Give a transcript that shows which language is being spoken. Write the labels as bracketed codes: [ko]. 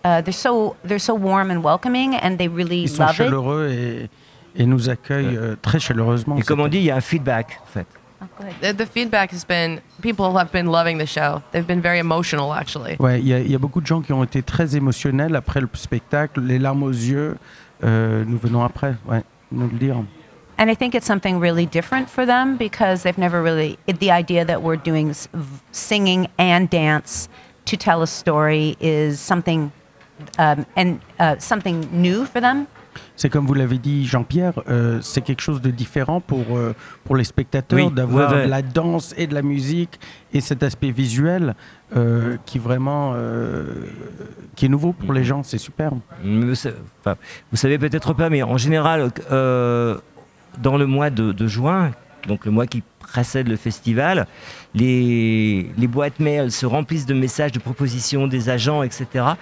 [en] They're so warm and welcoming, and they really love it. [fr] Ils sont chaleureux et nous accueillent très chaleureusement. Et comme on dit, il y a un feedback, en fait. [en] The feedback has been, people have been loving the show. They've been very emotional, actually. [fr] Ouais, il y a beaucoup de gens qui ont été très émotionnels après le spectacle, les larmes aux yeux. Nous venons après, ouais, nous le dire. [en] And I think it's something really different for them because they've never really, the idea that we're doing singing and dance to tell a story is something, something new for them. [fr] C'est comme vous l'avez dit, Jean-Pierre, c'est quelque chose de différent pour les spectateurs, oui, d'avoir de la danse et de la musique et cet aspect visuel qui est nouveau pour les gens, c'est superbe. Vous savez peut-être pas, mais en général, dans le mois de juin, donc le mois qui précède le festival, les boîtes mail se remplissent de messages, de propositions des agents, etc.